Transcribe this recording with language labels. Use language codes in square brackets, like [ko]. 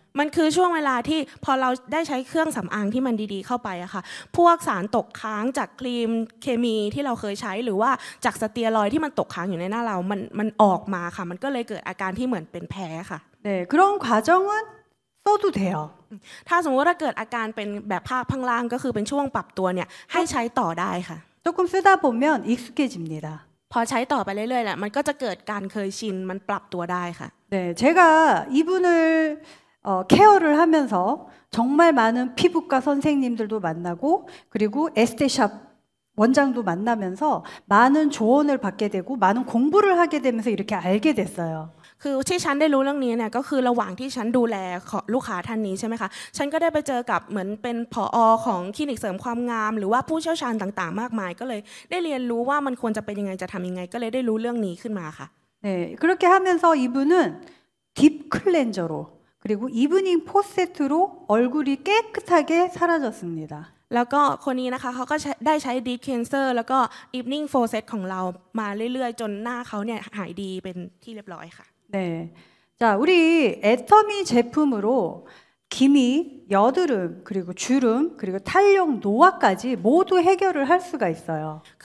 [th] มันคือช่วงเวลาที่พอเราได้ใช้เครื่องสำอางที่มันดีๆเข้าไปอะค่ะพวกสารตกค้างจากครีมเคมีที่เราเคยใช้หรือว่าจากสเตียรอยที่มันตกค้างอยู่ในหน้าเรามันออกมาค่ะมันก็เลยเกิดอาการที่เหมือนเป็นแพ้ค่ะ [ko] 네그런과정은써도돼요 [th] ถ้าสมมติว่าเกิดอาการเป็นแบบภาพข้างล่างก็คือเป็นช่วงปรับตัวเนี่ยให้ใช้ต่อได้ค่ะ [ko] 조금쓰다보면익숙해집니다 [th] พอใช้ต่อไปเรื่อยๆแหละมันก็จะเกิดการเคยชินมันปรับตัวได้ค่ะ [ko] 네제가이분을케어를하면서정말많은피부과선생님들도만나고그리고에스테샵 원장도 만나면서 많은 조언을 받게 되고 많은 공부를 하게 되면서 이렇게 알게 됐어요. [th] คือที่ฉันได้รู้เรื่องนี้เนี่ยก็คือระหว่างที่ฉันดูแลลูกค้าท่านนี้ใช่ไหมคะฉันก็ได้ไปเจอกับเหมือนเป็นผอ.ของคลินิกเสริมความงามหรือว่าผู้เชี่ยวชาญต่างๆมากมายก็เลยได้เรียนรู้ว่ามันควรจะเป็นยังไงจะทำยังไงก็เลยได้รู้เรื่องนี้ขึ้นมาค่ะ [ko] 네 그렇게 하면서 이분은 딥 클렌저로 그리고 이브닝 포세트로 얼굴이 깨끗하게 사라졌습니다. [th] แล้วก็คนนี้นะคะเขาก็ได้ใช้ดีคลีนเซอร์แล้วก็อีฟนิ่งโฟเซตของเรามาเรื่อยๆจนหน้าเขาเนี่ยหายดีเป็นที่เรียบร้อยค่ะ [ko] 네. 자, 우리 애터미 제품으로 기미, 여드름, 그리고 주름, 그리고 탄력 노화까지 모두 해결을 할 수가 있어요.